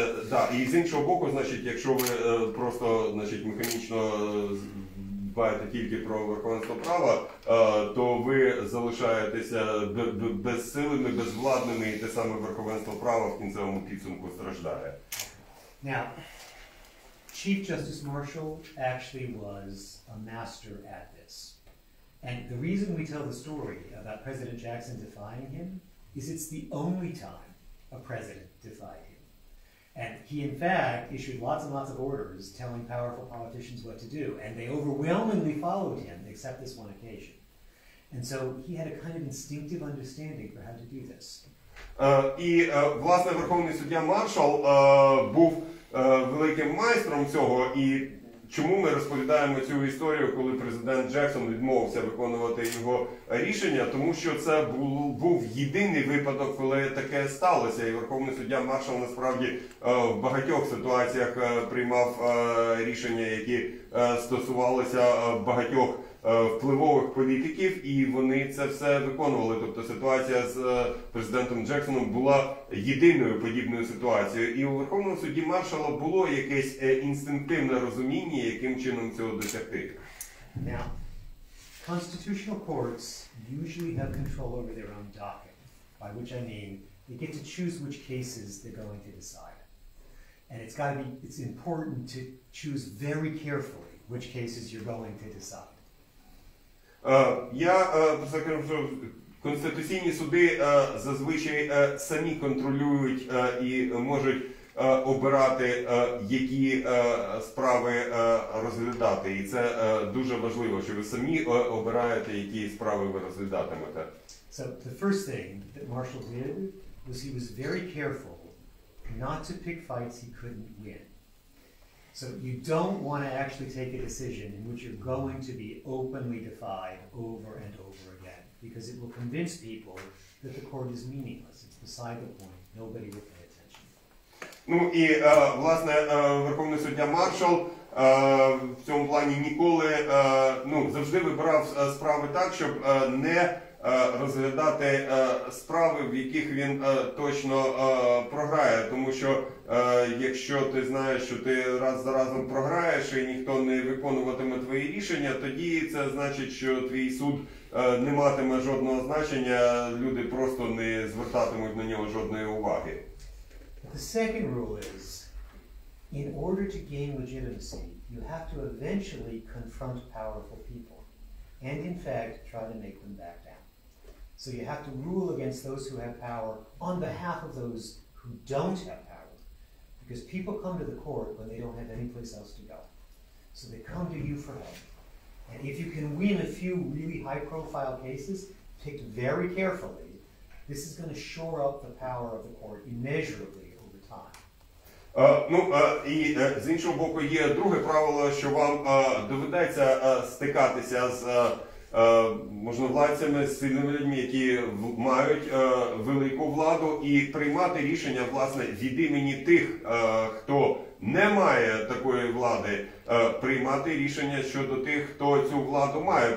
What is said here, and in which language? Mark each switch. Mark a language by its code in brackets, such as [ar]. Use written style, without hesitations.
[uk] Да, і з іншого боку, значить, якщо ви просто, значить, механічно дбаєте тільки про верховенство права, то ви залишаєтеся безсилими, безвладними, і те саме верховенство права в кінцевому підсумку страждає. [en] Now, Chief Justice Marshall actually was a master at this. And the reason we tell the story about President Jackson defying him is it's the only time a president defied him. And he, in fact, issued lots and lots of orders telling powerful politicians what to do, and they overwhelmingly followed him, except this one occasion. And so he had a kind of instinctive understanding for how to do this. [uk] Власне, Верховний суддя Маршал був великим майстром цього, і чому ми розповідаємо цю історію, коли президент Джексон відмовився виконувати його рішення? Тому що це був єдиний випадок, коли таке сталося, і Верховний суддя Маршал насправді в багатьох ситуаціях приймав рішення, які стосувалися багатьох впливових політиків, і вони це все виконували. Тобто ситуація з президентом Джексоном була єдиною подібною ситуацією. І у Верховному суді Маршала було якесь інстинктивне розуміння, яким чином цього досягти. [en] Now, constitutional courts usually have control over their own docket, by which I mean they get to choose which cases they're going to decide. And it's important to choose very carefully which cases you're going to decide. [uk] Конституційні суди зазвичай самі контролюють і можуть обирати, які справи розглядати. І це дуже важливо, що ви самі обираєте, які справи ви розглядатимете. [en] So the first thing that Marshall did was he was very careful not to pick fights he couldn't win. So you don't want to actually take a decision in which you're going to be openly defied over and over again, because it will convince people that the court is meaningless. It's beside the point. Nobody will pay attention. [uk] Ну і власне Верховний суддя Маршал в цьому плані ніколи ну завжди вибирав справи так, щоб не розглядати справи, в яких він точно програє. Тому що якщо ти знаєш, що ти раз за разом програєш і ніхто не виконуватиме твої рішення, тоді це значить, що твій суд не матиме жодного значення, люди просто не звертатимуть на нього жодної уваги. [en] The second rule is, in order to gain legitimacy, you have to eventually confront powerful people and in fact try to make them back down. So you have to rule against those who have power on behalf of those who don't have power. Because people come to the court when they don't have any place else to go. So they come to you for help. And if you can win a few really high-profile cases, picked very carefully, this is going to shore up the power of the court immeasurably over time. [uk] З іншого боку, є друге правило, що вам доведеться стикатися з можновладцями, з сильними людьми, які мають велику владу, і приймати рішення, власне, від імені тих, хто не має такої влади, приймати рішення щодо тих, хто цю владу має.